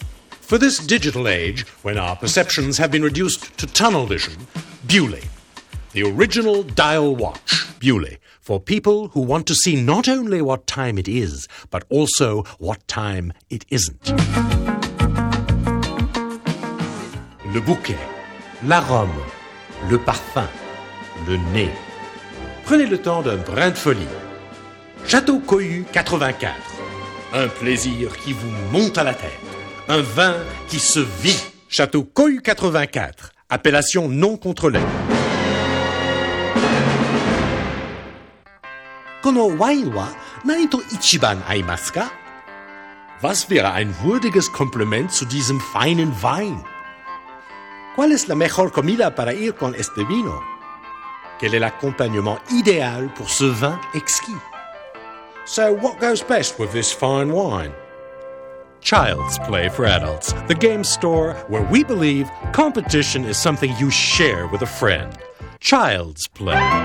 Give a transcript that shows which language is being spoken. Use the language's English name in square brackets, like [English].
[English] For this digital age, when our perceptions have been reduced to tunnel vision, Bewley, the original dial watch, Bewley, for people who want to see not only what time it is, but also what time it isn't. [French] Le bouquet, l'arôme, le parfum, le nez. Prenez le temps d'un brin de folie. Château Cohue 84. Un plaisir qui vous monte à la tête. Un vin qui se vit. Château Cohue 84. Appellation non contrôlée. [Japanese] Kono wine wa nani to ichiban aimasu ka? [German] Was wäre ein würdiges Kompliment zu diesem feinen Wein? [Spanish] ¿Cuál es la mejor comida para ir con este vino? [French] Quel est l'accompagnement idéal pour ce vin exquis? [English] So what goes best with this fine wine? Child's Play for Adults, the game store where we believe competition is something you share with a friend. Child's Play.